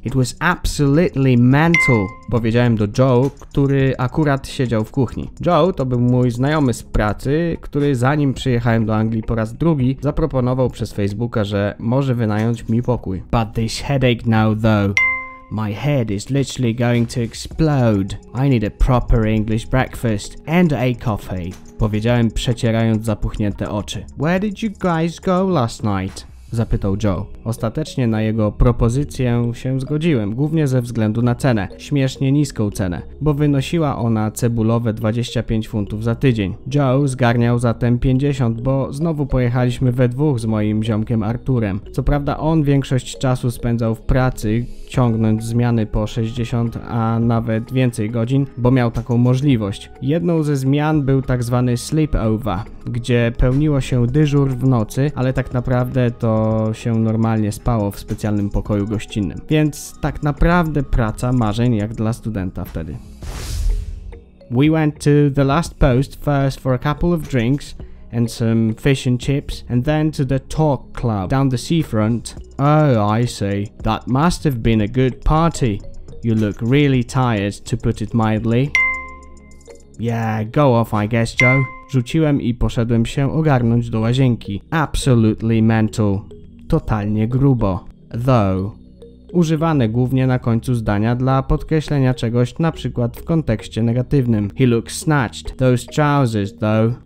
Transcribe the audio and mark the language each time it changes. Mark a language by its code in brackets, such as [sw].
[en] It was absolutely mental. [pl] Powiedziałem do Joe, który akurat siedział w kuchni. Joe to był mój znajomy z pracy, który zanim przyjechałem do Anglii po raz drugi, zaproponował przez Facebooka, że może wynająć mi pokój. [en] But this headache now though. My head is literally going to explode. I need a proper English breakfast and a coffee. [pl] Powiedziałem przecierając zapuchnięte oczy. [en] Where did you guys go last night? [pl] Zapytał Joe. Ostatecznie na jego propozycję się zgodziłem, głównie ze względu na cenę. Śmiesznie niską cenę, bo wynosiła ona cebulowe 25 funtów za tydzień. Joe zgarniał zatem 50, bo znowu pojechaliśmy we dwóch z moim ziomkiem Arturem. Co prawda on większość czasu spędzał w pracy, ciągnąc zmiany po 60, a nawet więcej godzin, bo miał taką możliwość. Jedną ze zmian był tak zwany sleepover, gdzie pełniło się dyżur w nocy, ale tak naprawdę to się normalnie spało w specjalnym pokoju gościnnym. Więc tak naprawdę praca marzeń jak dla studenta wtedy. [en] We went to the last post first for a couple of drinks and some fish and chips and then to the talk club down the seafront. Oh, I see. That must have been a good party. You look really tired, to put it mildly. Yeah, go off, I guess, Joe. [pl] Rzuciłem i poszedłem się ogarnąć do łazienki. [en] Absolutely mental. [pl] Totalnie grubo. [en] Though. [pl] Używane głównie na końcu zdania dla podkreślenia czegoś, na przykład w kontekście negatywnym. [en] He looks snatched. Those trousers, though.